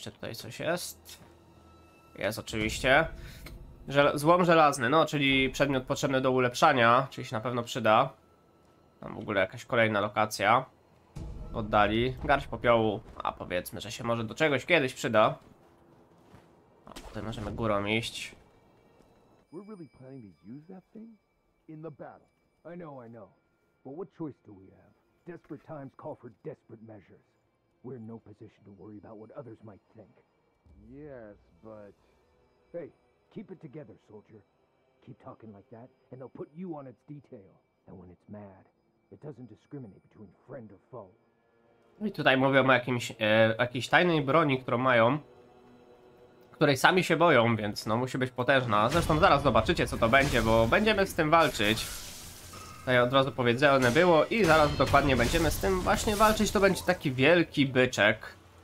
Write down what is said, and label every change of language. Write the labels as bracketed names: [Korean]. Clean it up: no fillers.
[Polish] Jeszcze tutaj coś jest. Jest oczywiście. Złom żelazny, no czyli przedmiot potrzebny do ulepszania, czyli się na pewno przyda. Tam w ogóle jakaś kolejna lokacja. Oddali. Garść popiołu, a powiedzmy, że się może do czegoś kiedyś przyda. A tutaj możemy górą iść. [English] We're really planning to use that thing in the battle. I know. But what choice do we have? Desperate times call for desperate measures. We're in no position to worry about what others might think. Yes, but hey, keep it together, soldier. Keep talking like that and they'll put you on its detail. And when it's mad, it doesn't discriminate between friend or foe. [Polish] No i tutaj mówią o jakiejś tajnej broni, którą mają, której sami się boją, więc no musi być potężna. Zresztą zaraz zobaczycie, co to będzie, bo będziemy z tym walczyć. Tutaj od razu powiedziane było i zaraz dokładnie będziemy z tym właśnie walczyć. To będzie taki wielki byczek.